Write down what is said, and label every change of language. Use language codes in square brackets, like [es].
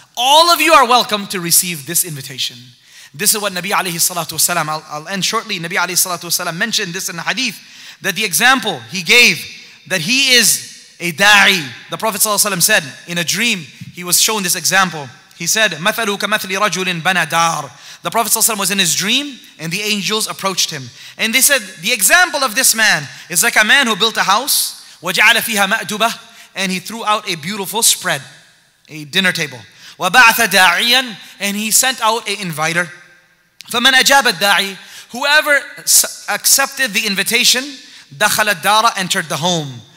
[en] All of you are welcome to receive this invitation. This is what Nabi alayhi salatu wasalam, I'll end shortly, Nabi alayhi salatu wasalam mentioned this in the hadith, that the example he gave, that he is a da'i. The Prophet sallallahu alayhi wasalam said, in a dream, he was shown this example. He said, [ar] مَثَلُوا كَمَثْلِ رَجُلٍ بَنَى دَارٍ. [en] The Prophet ﷺ was in his dream and the angels approached him. And they said, the example of this man is like a man who built a house, [ar] وَجَعَلَ فِيهَا مَأْدُبَةً, [en] and he threw out a beautiful spread, a dinner table. [ar] وَبَعْثَ دَاعِيًا, [en] and he sent out an inviter. [ar] فَمَنْ أَجَابَ الدَّاعِي, [en] whoever accepted the invitation, [ar] دَخَلَ الدَّارَ, [en] entered the home.